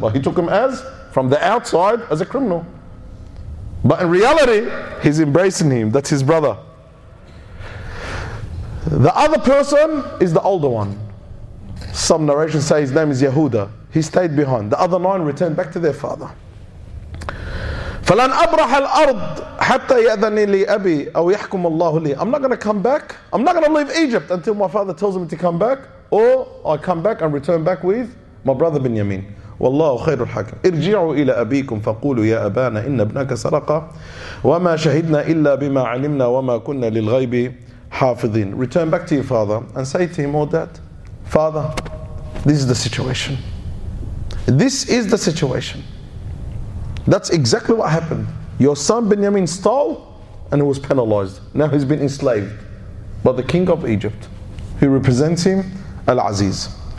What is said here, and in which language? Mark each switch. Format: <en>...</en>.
<en>But he took him as, from the outside, as a criminal. But in reality, he's embracing him, that's his brother. The other person is the older one. Some narrations say his name is Yehuda. He stayed behind. The other 9 returned back to their father.</en> <ar>فَلَنْ أَبْرَحَ الْأَرْضِ حَتَّى يَأْذَنِي لِي أَبِي أَوْ يَحْكُمُ اللَّهُ لِي</ar> <en>I'm not going to come back. I'm not going to leave Egypt until my father tells me to come back. Or I come back and return back with my brother Binyamin.</en> <ar>وَاللَّهُ خَيْرُ الْحَكِمِ ارْجِعُوا إِلَىٰ أَبِيكُمْ فَقُولُوا يَا أَبَانَا إِنَّ ابْنَكَ سَرَقَ وَمَا شَهِدْنَا إِلَّا بِمَا عَلِمْنَا وَمَا كُنَّا لِلْغَيْبِ حافظين.</ar> <en>Return back to your father and say to him, oh dad, Father, this is the situation. This is the situation. That's exactly what happened. Your son Benjamin stole and he was penalized. Now he's been enslaved by the king of Egypt. He represents him, Al-Aziz.</en>